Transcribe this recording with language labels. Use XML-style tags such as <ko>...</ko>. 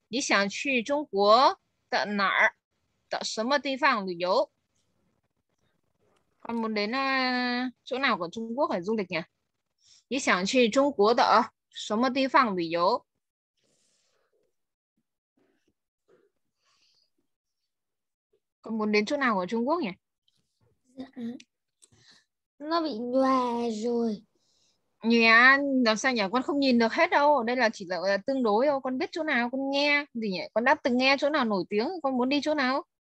<zh>你想去中国的哪儿的什么地方旅游？</zh> <vi>con muốn đến chỗ nào của Trung Quốc để du lịch nhỉ?</vi> <zh>Ý想去中国的什么地方旅游？</zh> <vi>con muốn đến chỗ nào của Trung Quốc nhỉ? Nó bị nhòe rồi. Nhà làm sao nhỉ? Con không nhìn được hết đâu. Đây là chỉ là tương đối thôi. Con biết chỗ nào, con nghe gì nhỉ? Con đã từng nghe chỗ nào nổi tiếng, con muốn đi chỗ nào?</vi>